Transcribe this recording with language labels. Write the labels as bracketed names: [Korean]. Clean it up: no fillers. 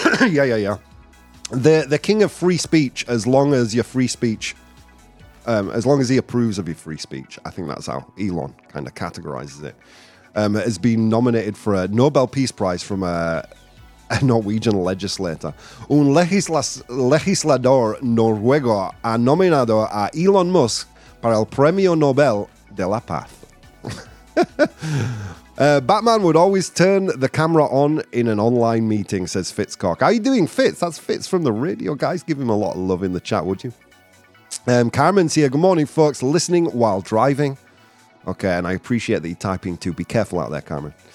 [English] Yeah. The king of free speech, as long as your free speech, as long as he approves of your free speech, I think that's how Elon kind of categorizes it, has been nominated for a Nobel Peace Prize from a Norwegian legislator. [Spanish] Un legislador noruego ha nominado a Elon Musk para el Premio Nobel de la Paz. [English] Batman would always turn the camera on in an online meeting, says Fitzcock. How are you doing, Fitz? That's Fitz from the radio. Guys, give him a lot of love in the chat, would you? Carmen's here. Good morning, folks. Listening while driving. Okay, and I appreciate that you're typing too. Be careful out there, Carmen.